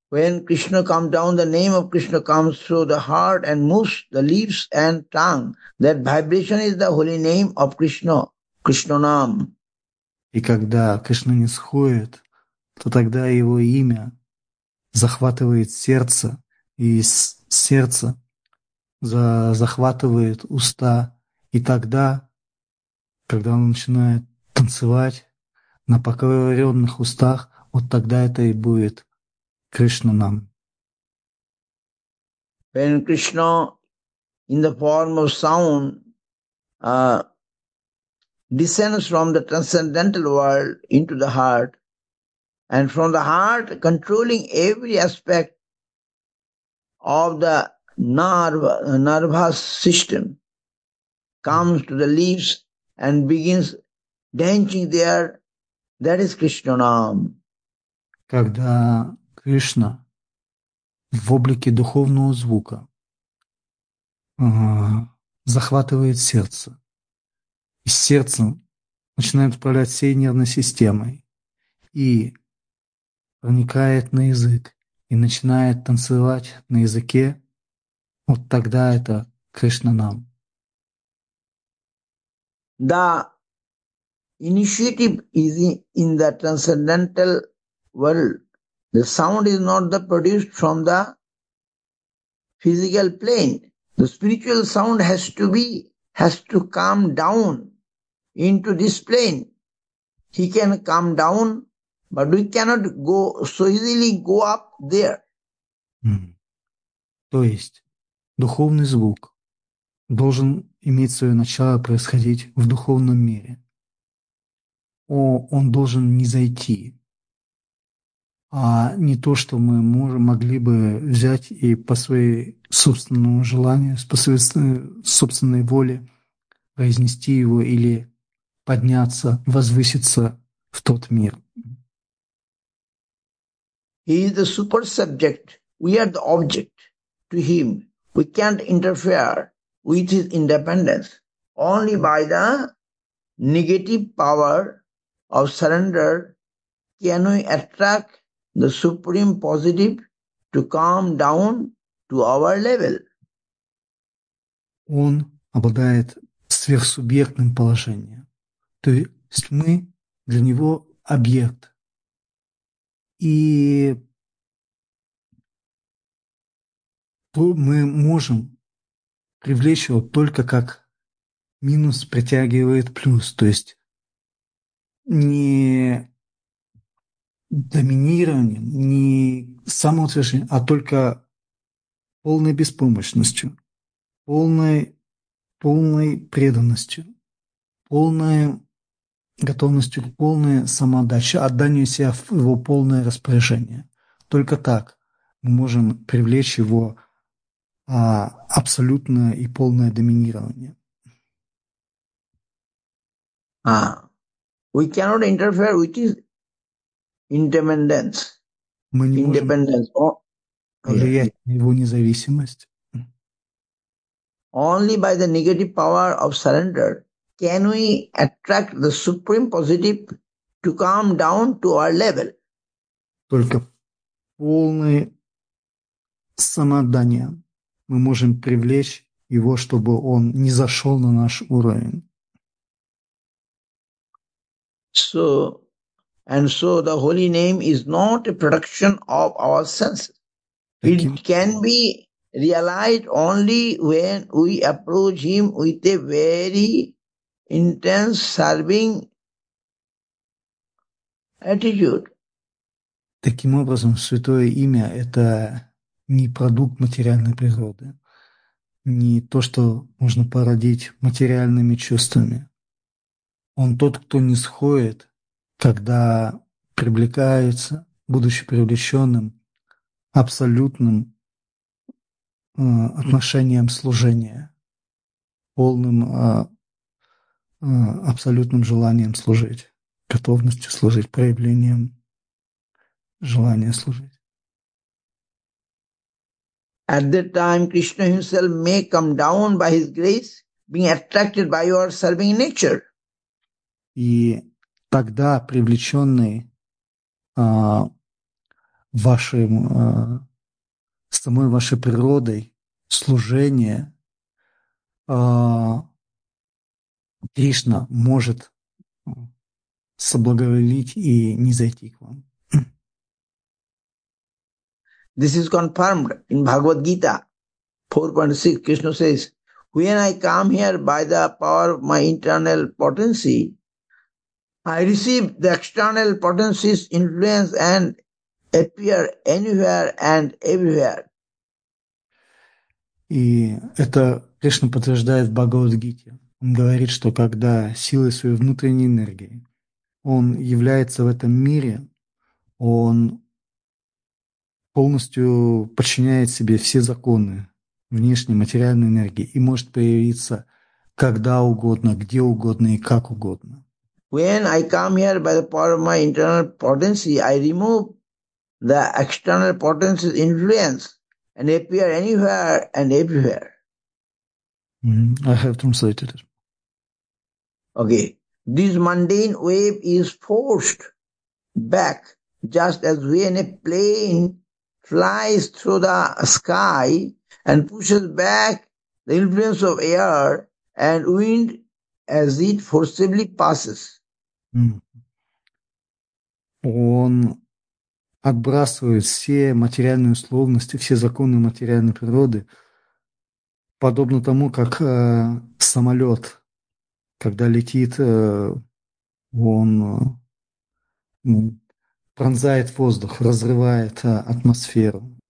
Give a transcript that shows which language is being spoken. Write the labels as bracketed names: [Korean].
[English] When Krishna comes down, the name of Krishna comes through the heart and moves the lips and tongue. That vibration is the holy name of Krishna, Krishna Nam. [Russian] И когда Кришна нисходит, то тогда его имя захватывает сердце, и сердце захватывает уста. И тогда, когда он начинает танцевать на покоренных устах, вот тогда это и будет Кришна нам. [English] When Krishna in the form of sound descends from the transcendental world into the heart, and from the heart controlling every aspect of the nervous system, comes to the leaves and begins dancing there, that is Krishna nam. [Russian] Когда Кришна в облике духовного звука захватывает сердце, и сердце начинает управлять всей нервной системой и проникает на язык и начинает танцевать на языке, вот тогда это Кришна нам. [English] The initiative is in the transcendental world. The sound is not the produced from the physical plane. The spiritual sound has to come down into this plane. He can come down, but we cannot go so easily go up there. [Russian] То есть духовный звук должен иметь свое начало происходить в духовном мире. Он должен не зайти. А не то, что мы могли бы взять и по своему собственному желанию, по своей собственной воле произнести его или подняться, возвыситься в тот мир. [English] He is the super subject. We are the object to him. We can't interfere with his independence. Only by the negative power of surrender can we attract the supreme positive to come down to our level. [Russian] Он обладает сверхсубъектным положением. То есть мы для него объект. И мы можем привлечь его только как минус притягивает плюс. То есть не доминированием, не самоутверждением, а только полной беспомощностью, полной преданностью, полной готовностью к полной самоотдаче, отданию себя в его полное распоряжение. Только так мы можем привлечь его абсолютное и полное доминирование. [English] We cannot interfere with his independence. [Russian] Мы не [English] independence. [Russian] Можем влиять на его независимость. [English] Only by the negative power of surrender can we attract the supreme positive to come down to our level. [Russian] Только полное самоотдание мы можем привлечь его, чтобы он не зашел на наш уровень. [English] So, and so the holy name is not a production of our senses. It can be realized only when we approach him with a very intense serving attitude. [Russian] Таким образом, святое имя – это не продукт материальной природы, не то, что можно породить материальными чувствами. Он тот, кто нисходит, когда привлекается, будучи привлеченным абсолютным отношением служения, полным абсолютным желанием служить, готовностью служить, проявлением желания служить. [English] At that time, Krishna himself may come down by his grace, being attracted by your serving nature. [Russian] И тогда, привлеченный вашим, самой вашей природой, служение, Кришна может соблаговолить и не зайти к вам. [English] This is confirmed in Bhagavad Gita 4.6. Krishna says, when I come here by the power of my internal potency, I receive the external potency's influence and appear anywhere and everywhere. [Russian] И это Кришна подтверждает в Бхагавад Гите. Он говорит, что когда силой своей внутренней энергии он является в этом мире, он полностью подчиняет себе все законы внешней материальной энергии и может появиться когда угодно, где угодно и как угодно. [English] When I come here by the power of my internal potency, I remove the external potency's influence and appear anywhere and everywhere. I have translated it. Okay. This mundane wave is forced back just as when a plane flies through the sky and pushes back the influence of air and wind as it forcibly passes. [Russian] Он отбрасывает все материальные условности, все законы материальной природы, подобно тому, как самолет, когда летит, он пронзает воздух, разрывает атмосферу.